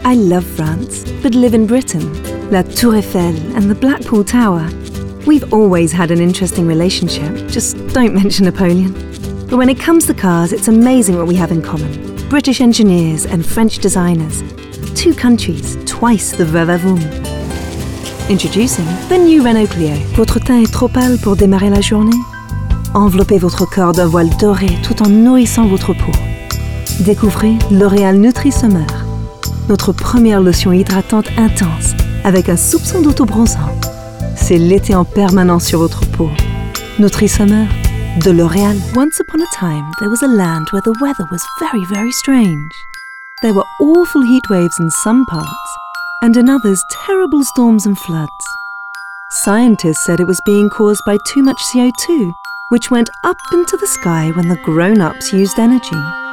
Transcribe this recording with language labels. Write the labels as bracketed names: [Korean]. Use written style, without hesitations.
[English] I love France, but live in Britain. La Tour Eiffel and the Blackpool Tower. We've always had an interesting relationship. Just don't mention Napoleon. But when it comes to cars, it's amazing what we have in common. British engineers and French designers. Two countries, twice the vavavoom. Introducing the new Renault Clio. [French] Votre teint est trop pâle pour démarrer la journée? Enveloppez votre corps d'un voile doré tout en nourrissant votre peau. Découvrez L'Oréal Nutri Summer. Notre première lotion hydratante intense avec un soupçon d'auto-bronzant. C'est l'été en permanence sur votre peau. Nutri Summer de L'Oréal. [English] Once upon a time, there was a land where the weather was very, very strange. There were awful heat waves in some parts, and in others, terrible storms and floods. Scientists said it was being caused by too much CO2, which went up into the sky when the grown-ups used energy.